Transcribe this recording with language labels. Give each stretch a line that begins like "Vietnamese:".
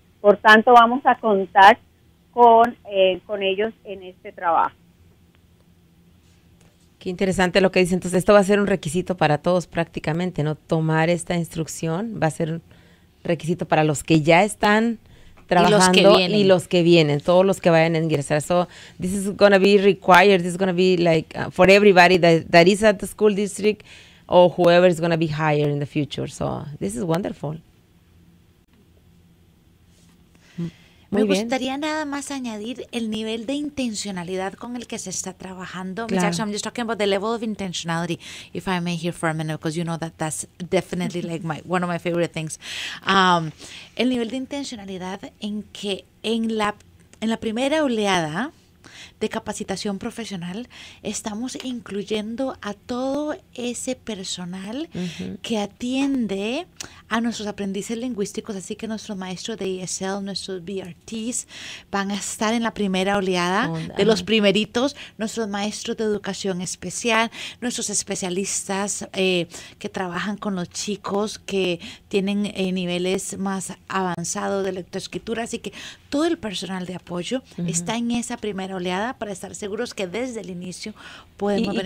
Spanish: Por tanto, vamos a contar con ellos en este trabajo. Qué interesante lo que dice. Entonces, esto va a ser un requisito para todos prácticamente, ¿no? Tomar esta instrucción va a ser un requisito para los que ya están trabajando y los que vienen, todos los que vayan a ingresar.
English: So, this is going to be required, this is going to be like for everybody that is at the school district or whoever is going to be hired in the future. So, this is wonderful.
Spanish: Muy bien. Me gustaría nada más añadir el nivel de intencionalidad con el que se está trabajando. Claro.
English: Jackson, I'm just talking about the level of intentionality, if I may hear for a minute, because you know that that's definitely like one of my favorite things.
Spanish: El nivel de intencionalidad en que en la primera oleada de capacitación profesional estamos incluyendo a todo ese personal, uh-huh, que atiende a nuestros aprendices lingüísticos, así que nuestros maestros de ESL, nuestros BRTs, van a estar en la primera oleada de los primeritos, nuestros maestros de educación especial, nuestros especialistas que trabajan con los chicos que tienen niveles más avanzados de lectoescritura, así que todo el personal de apoyo está en esa primera oleada para estar seguros que desde el inicio podemos beneficiar.